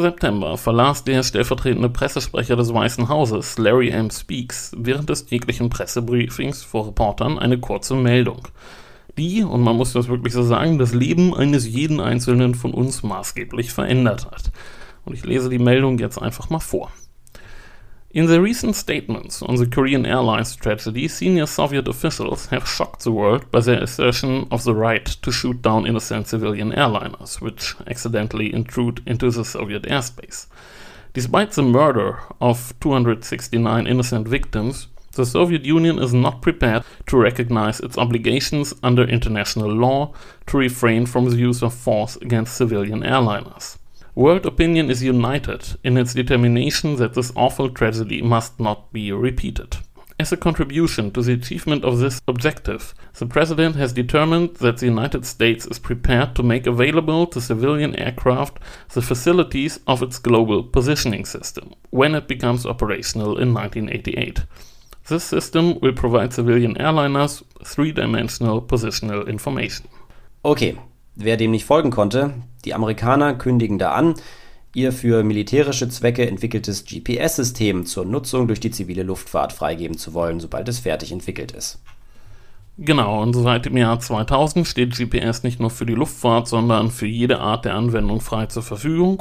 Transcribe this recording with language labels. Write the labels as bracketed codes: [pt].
[de] September verlas der stellvertretende Pressesprecher des Weißen Hauses, Larry M. Speaks, während des täglichen Pressebriefings vor Reportern eine kurze Meldung, die, und man muss das wirklich so sagen, das Leben eines jeden Einzelnen von uns maßgeblich verändert hat. Und ich lese die Meldung jetzt einfach mal vor. [en] In the recent statements on the Korean Airlines tragedy, senior Soviet officials have shocked the world by their assertion of the right to shoot down innocent civilian airliners, which accidentally intrude into the Soviet airspace. Despite the murder of 269 innocent victims, the Soviet Union is not prepared to recognize its obligations under international law to refrain from the use of force against civilian airliners. World opinion is united in its determination that this awful tragedy must not be repeated. As a contribution to the achievement of this objective, the President has determined that the United States is prepared to make available to civilian aircraft the facilities of its global positioning system when it becomes operational in 1988. This system will provide civilian airliners three-dimensional positional information. [de] Okay, wer dem nicht folgen konnte, Die Amerikaner kündigen da an, ihr für militärische Zwecke entwickeltes GPS-System zur Nutzung durch die zivile Luftfahrt freigeben zu wollen, sobald es fertig entwickelt ist. Genau, und seit dem Jahr 2000 steht GPS nicht nur für die Luftfahrt, sondern für jede Art der Anwendung frei zur Verfügung.